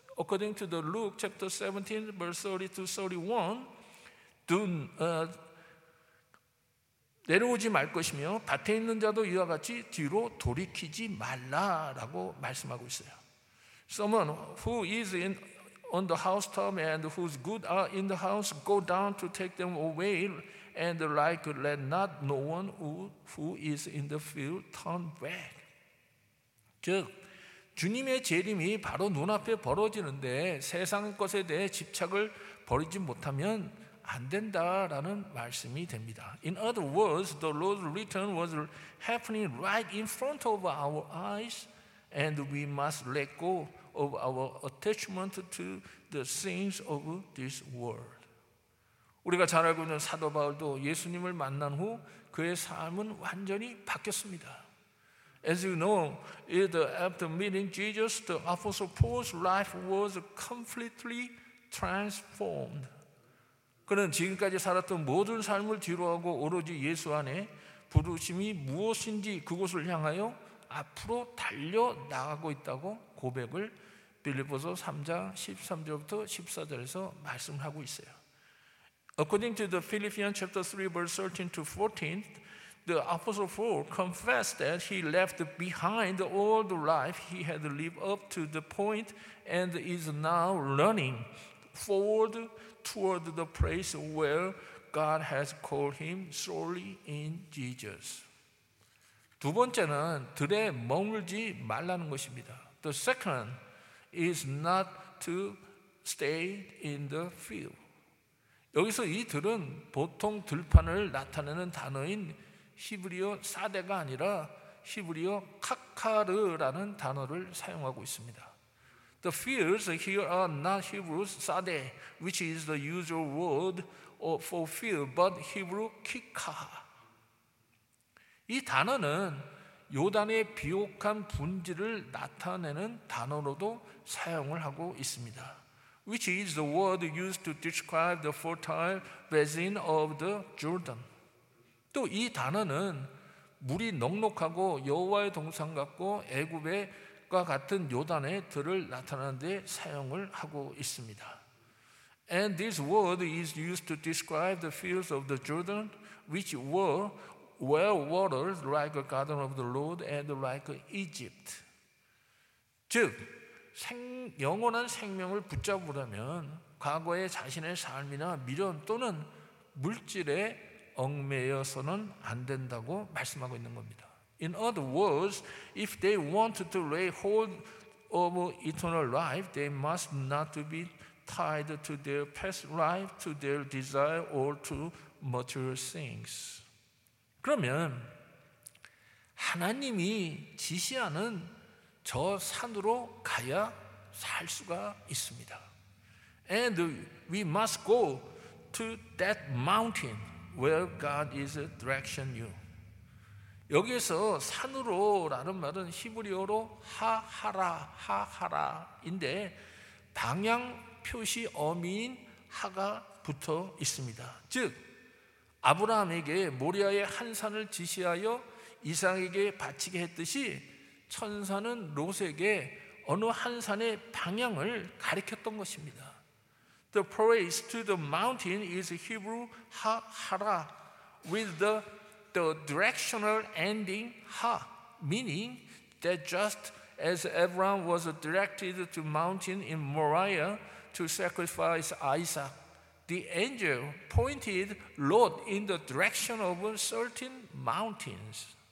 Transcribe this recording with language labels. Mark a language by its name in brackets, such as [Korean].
[English] According to the Luke chapter 17, verse 30-31, do [Korean] 내려오지 말 것이며 밭에 있는 자도 이와 같이 뒤로 돌이키지 말라라고 말씀하고 있어요. [English] Someone who is in on the housetop and whose goods are in the house, go down to take them away, and like let not no one who is in the field turn back. [Korean] 즉 주님의 재림이 바로 눈앞에 벌어지는데 세상 것에 대해 집착을 버리지 못하면 안 된다라는 말씀이 됩니다. [English] In other words, the Lord's return was happening right in front of our eyes, and we must let go of our attachment to the things of this world. [Korean] 우리가 잘 알고 있는 사도 바울도 예수님을 만난 후 그의 삶은 완전히 바뀌었습니다. [English] As you know, after meeting Jesus, the Apostle Paul's life was completely transformed. [Korean] 그는 지금까지 살았던 모든 삶을 뒤로하고 오로지 예수 안에 부르심이 무엇인지 그곳을 향하여 앞으로 달려 나가고 있다고 고백을 빌립보서 3장 13절부터 14절에서 말씀하고 있어요. [English] According to the Philippians chapter 3 verse 13 to 14, the Apostle Paul confessed that he left behind all the life he had lived up to the point and is now running forward toward the place where God has called him solely in Jesus. [Korean] 두 번째는 들에 머물지 말라는 것입니다. [English] The second is not to stay in the field. [Korean] 여기서 이 들은 보통 들판을 나타내는 단어인 히브리어 사데가 아니라 히브리어 카카르라는 단어를 사용하고 있습니다. [English] The fields here are not Hebrew sade, which is the usual word for field, but Hebrew kika. [Korean] 이 단어는 요단의 비옥한 분지를 나타내는 단어로도 사용을 하고 있습니다. [English] Which is the word used to describe the fertile basin of the Jordan. [Korean] 또 이 단어는 물이 넉넉하고 여호와의 동산 같고 애굽의 과 같은 요단의 들을 나타내는 데 사용을 하고 있습니다. [English] And this word is used to describe the fields of the Jordan, which were well watered like a garden of the Lord and like Egypt. [Korean] 즉, 영원한 생명을 붙잡으려면 과거의 자신의 삶이나 미련 또는 물질에 얽매여서는 안 된다고 말씀하고 있는 겁니다. [English] In other words, if they want to lay hold of eternal life, they must not be tied to their past life, to their desire, or to material things. [Korean] 그러면 하나님이 지시하는 저 산으로 가야 살 수가 있습니다. [English] And we must go to that mountain where God is directing you. [Korean] 여기에서 산으로라는 말은 히브리어로 하하라인데 방향 표시 어미인 하가 붙어 있습니다. 즉 아브라함에게 모리아의 한 산을 지시하여 이삭에게 바치게 했듯이 천사는 롯에게 어느 한 산의 방향을 가리켰던 것입니다. [English] The place to the mountain is Hebrew ha-hara with the directional ending ha, meaning that just as Abraham was directed to mountain in Moriah to sacrifice Isaac, the angel pointed Lot in the direction of certain mountains.